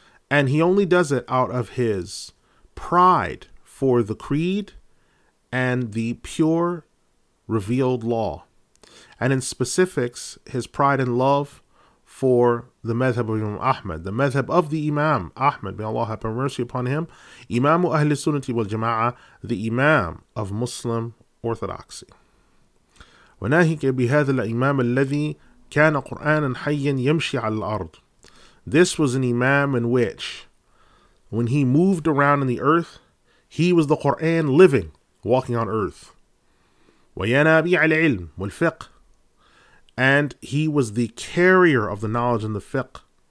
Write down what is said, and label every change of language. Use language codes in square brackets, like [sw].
[en] And he only does it out of his pride for the creed and the pure revealed law. And in specifics, his pride and love for the madhab of Imam Ahmad, the madhab of the Imam Ahmad, may Allah have mercy upon him, Imam Ahl Sunnati wal Jama'ah, the Imam of Muslim Orthodoxy. [ar] وناهيك بهذا الإمام الذي كان قرآنا حيا يمشي على الأرض. [en] This was an imam in which, when he moved around in the earth, he was the Quran living, walking on earth. [ar] وينابيع العلم والفقه. [en] And he was the carrier of the knowledge and the fiqh.